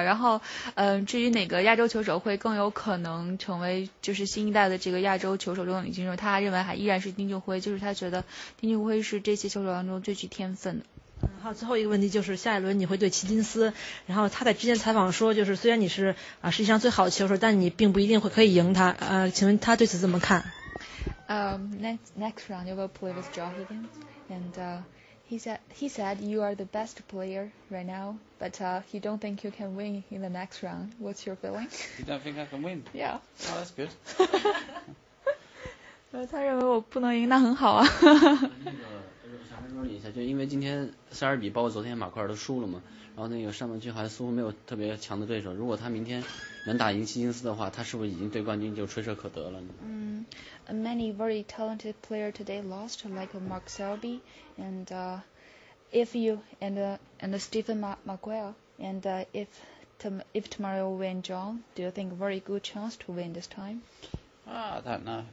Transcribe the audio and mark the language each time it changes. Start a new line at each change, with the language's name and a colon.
Chinese: 然后，至于哪个亚洲球手会更有可能成为就是新一代的这个亚洲球手中的领军手，他认为还依然是丁俊晖，就是他觉得丁俊晖是这些球手当中最具天分的。好，最后一个问题就是下一轮你会对齐金斯，然后他在之前采访说，就是虽然你是世界上最好的球手，但你并不一定会可以赢他。请问他对此怎么看？
English: Next round you will play with Joe Higgins, and he said you are the best player right now, but you don't think you can win in the next round. What's your feeling? You don't think I can win? Yeah. Oh, that's good.
Chinese: 他认为我不能赢，那很好啊。我想问一下，就因为今天塞尔比包括昨天马奎尔都输了嘛，然后那个上半区还似乎没有特别强的对手，如果他明天能打赢希金斯的话，他是不是已经对冠军就吹手可得了呢？
English: Many very talented player today lost like Mark Selby and if you and Stephen Maguire and if tomorrow win John, do you think very good chance to win this time? I don't know.